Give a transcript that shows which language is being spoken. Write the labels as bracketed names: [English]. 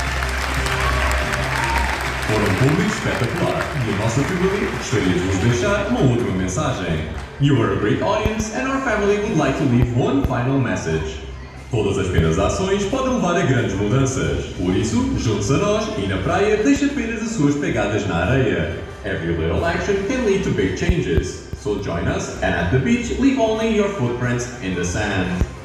[Portuguese] Foram um público espetacular e a nossa família gostaria de vos deixar uma última mensagem. [English] You are a great audience and our family would like to leave one final message. [Portuguese] Todas as pequenas ações podem levar a grandes mudanças. Por isso, junte-se a nós e na praia deixe apenas as suas pegadas na areia. [English] Every little action can lead to big changes. So join us and at the beach leave only your footprints in the sand.